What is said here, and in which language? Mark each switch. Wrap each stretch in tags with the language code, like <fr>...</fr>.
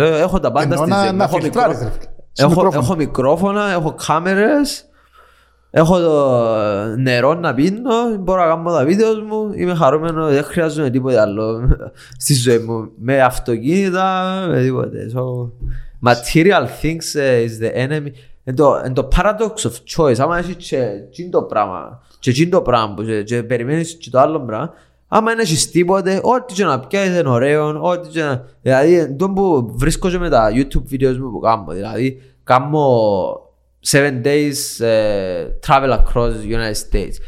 <el>Έχω τα πάντα στη ζήτηση. Έχω μικρόφωνα, έχω κάμερες. Έχω το νερό να πίνω, μπορώ να κάνω τα βίντεο μου, είμαι χαρούμενο, δεν χρειάζομαι τίποτε άλλο στη ζωή μου. Με αυτοκίνητα, με τίποτε.</el> <en>So, material things is the enemy.</en> <el>Εν το paradox of choice, άμα έχεις και το πράγμα, και το πράγμα που και περιμένεις και το άλλο πράγμα, άμα δεν έχεις τίποτε, ό,τι και να πιάσεις είναι ωραίο, ό,τι και να... Δηλαδή, το που βρίσκω και με τα YouTube βίντεο μου που κάνω, δηλαδή κάνω</el> <en>7 days travel across the United States.</en>